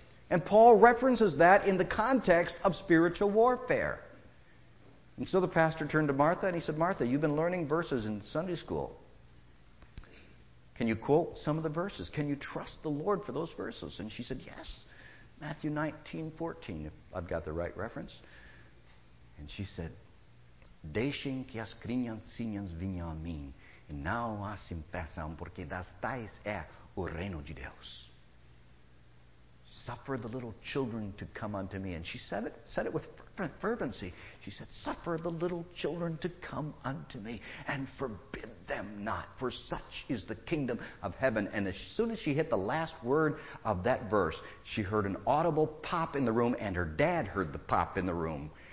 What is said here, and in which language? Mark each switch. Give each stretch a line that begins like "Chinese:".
English: And Paul references that in the context of spiritual warfare. And so the pastor turned to Martha and he said, Martha, you've been learning verses in Sunday school. Can you quote some of the verses? Can you trust the Lord for those verses? And she said, yes. Matthew 19:14, if I've got the right reference. And she said,
Portuguese: Deixem que as crianças venham a mim. E não as impeçam, porque das tais é o reino de Deus.
English: Suffer the little children to come unto me. And she said it with fervency. She said, suffer the little children to come unto me and forbid them not, for such is the kingdom of heaven. And as soon as she hit the last word of that verse, she heard an audible pop in the room, and her dad heard the pop in the room.